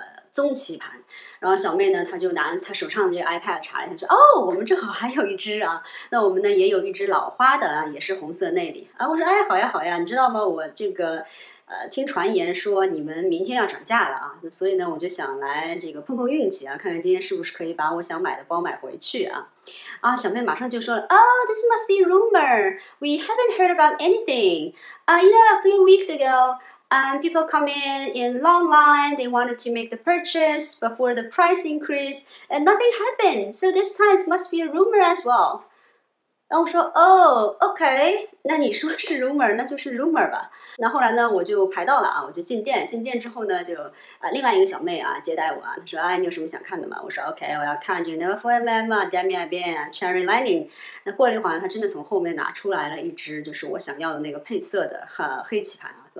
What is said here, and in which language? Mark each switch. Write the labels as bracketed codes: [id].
[zh] 棕棋盘，然后小妹呢，她就拿她手上的这个 iPad 查了一下，说：“哦，我们正好还有一只啊，那我们呢也有一只老花的啊，也是红色内里啊。”我说：“哎，好呀好呀，你知道吗？我这个听传言说你们明天要涨价了啊，所以呢我就想来这个碰碰运气啊，看看今天是不是可以把我想买的包买回去啊。 ”啊，小妹马上就说了：“哦， [en] this must be rumor. We haven't heard about anything. You know, a few weeks ago.” People come in long line. They wanted to make the purchase before the price increase, and nothing happened. So this time it must be a rumor as well. [zh] 然后我说，哦，OK，那你说是 rumor，那就是 rumor 吧。那后来呢，我就排到了啊，我就进店。进店之后呢，就另外一个小妹啊接待我啊，她说，哎，你有什么想看的吗？我说，OK，我要看这个 Never Four MM 啊，Damien Albarn 啊，Cherry Lining。那过了一会儿，她真的从后面拿出来了一只，就是我想要的那个配色的黑棋盘啊。